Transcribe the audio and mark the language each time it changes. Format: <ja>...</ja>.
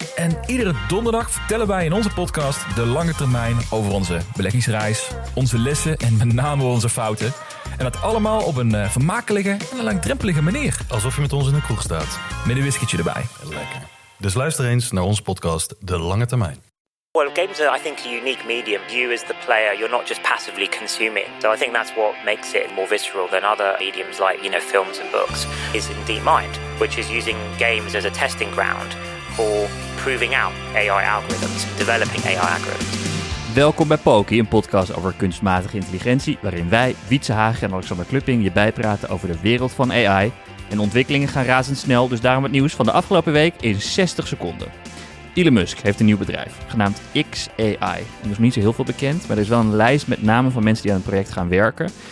<nl>En iedere donderdag vertellen wij in onze podcast De Lange Termijn over onze beleggingsreis, onze lessen en met name onze fouten. En dat allemaal op een vermakelijke en een langdrempelige manier. Alsof je met ons in een kroeg staat. Met een whiskytje erbij. Lekker. Dus luister eens naar onze podcast De Lange Termijn.</nl> <en>Well, games are, I think, a unique medium. You as the player, you're not just passively consuming. So I think that's what makes it more visceral than other mediums like, you know, films and books, is in DeepMind, which is using games as a testing ground for proving out AI algorithms, developing AI algorithms.</en> <nl>Welkom bij Poki, een podcast over kunstmatige intelligentie, waarin wij, Wietse Hagen en Alexander Klupping, je bijpraten over de wereld van AI. En ontwikkelingen gaan razendsnel, dus daarom het nieuws van de afgelopen week in 60 seconden. Elon Musk heeft een nieuw bedrijf, genaamd xAI. En er is nog niet zo heel veel bekend, maar er is wel een lijst met namen van mensen die aan het project gaan werken.</nl>